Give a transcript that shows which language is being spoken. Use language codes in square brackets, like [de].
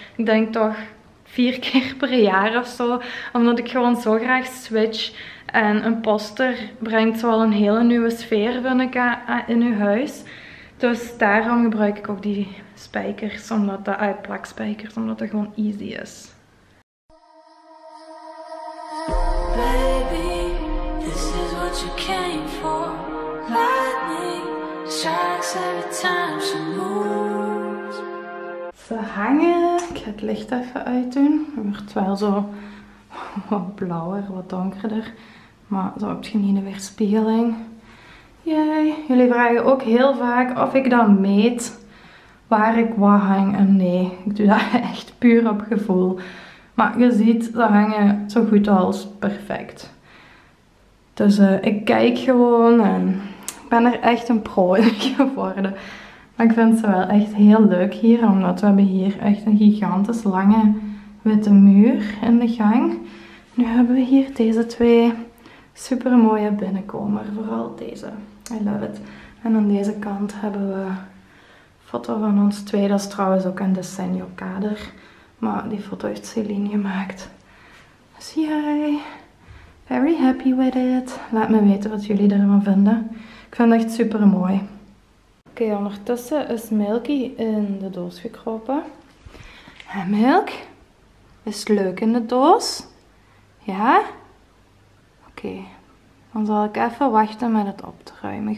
[nl] Ik denk toch 4 keer per jaar of zo. Omdat ik gewoon zo graag switch. En een poster brengt zoal een hele nieuwe sfeer, vind ik, in je huis. Dus daarom gebruik ik ook die spijkers, omdat dat uitplakspijkers, omdat dat gewoon easy is. [en] Baby, this is what you came for. Lightning strikes every time she moves. [nl] Ze hangen. Ik ga het licht even uitdoen. Het wordt wel zo wat blauwer, wat donkerder. Maar zo heb je niet de weerspiegeling. Jij. Jullie vragen ook heel vaak of ik dan meet waar ik wat hang. En nee, ik doe dat echt puur op gevoel. Maar je ziet, ze hangen zo goed als perfect. Dus ik kijk gewoon en ik ben er echt een pro in geworden. Maar ik vind ze wel echt heel leuk hier, omdat we hebben hier echt een gigantisch lange witte muur in de gang. Nu hebben we hier deze twee super mooie binnenkomers, vooral deze. [en] I love it. [nl] En aan deze kant hebben we een foto van ons twee, dat is trouwens ook een decennio kader. Maar die foto heeft Celine gemaakt. Dus jij, [en] very happy with it. [nl] Laat me weten wat jullie ervan vinden. Ik vind het echt super mooi. Oké, ondertussen is Milky in de doos gekropen. En Milk, is het leuk in de doos? Ja? Oké, dan zal ik even wachten met het op te ruimen.